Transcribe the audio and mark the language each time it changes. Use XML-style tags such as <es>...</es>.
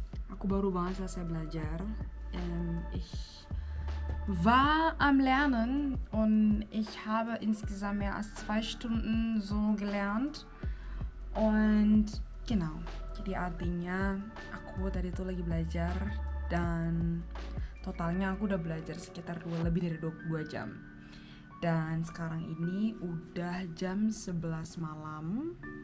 <id>Aku baru banget selesai belajar.</id> <de>Ich war am Lernen und ich habe insgesamt mehr als 2 Stunden so gelernt. Und genau,</de> <id>jadi artinya aku tadi tuh lagi belajar dan totalnya aku udah belajar sekitar lebih dari 22 jam. Dan sekarang ini udah jam 11 malam.</id>